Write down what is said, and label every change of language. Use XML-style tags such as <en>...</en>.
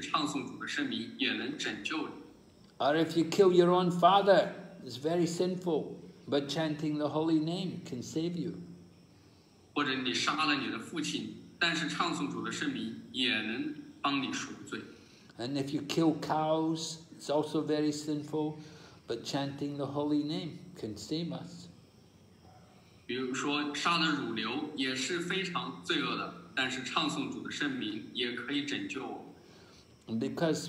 <zh>比如说一个人杀了女人，这也被认为是很罪恶，但是唱诵主的圣名也能拯救你。</zh> <en>Or if you kill your own father, it's very sinful, but chanting the holy name can save you.</en> <zh>或者你杀了你的父亲，但是唱诵主的圣名也能帮你赎罪。</zh> <en>And if you kill cows, it's also very sinful, but chanting the holy name can save us.</en> <zh>比如说杀了乳牛也是非常罪恶的，但是唱诵主的圣名也可以拯救我。</zh> <en>Because</en>